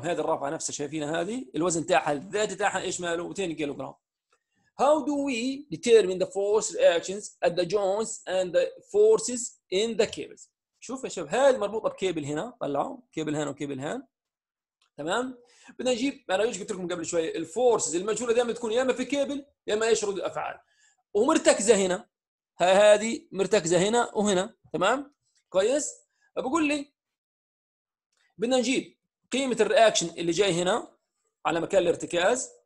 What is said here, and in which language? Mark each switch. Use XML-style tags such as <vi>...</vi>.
<ar>هذه الرافعه نفسها شايفينها هذه الوزن تاعها الذاتي تاعها ايش ماله 200 كيلوغرام.</ar> <en>How do we determine the force reactions at the joints and the forces in the cables؟</en> <ar>شوف يا شباب هذه مربوطه بكيبل هنا، طلعوا كيبل هنا وكيبل هنا تمام. بدنا نجيب انا قلت لكم قبل شويه الفورسز المجهوله دائما تكون يا اما في كيبل يا اما ايش رد الافعال، ومرتكزه هنا هذه مرتكزه هنا وهنا تمام كويس. بقول لي بدنا نجيب قيمه الرياكشن اللي جاي هنا على مكان الارتكاز.</ar>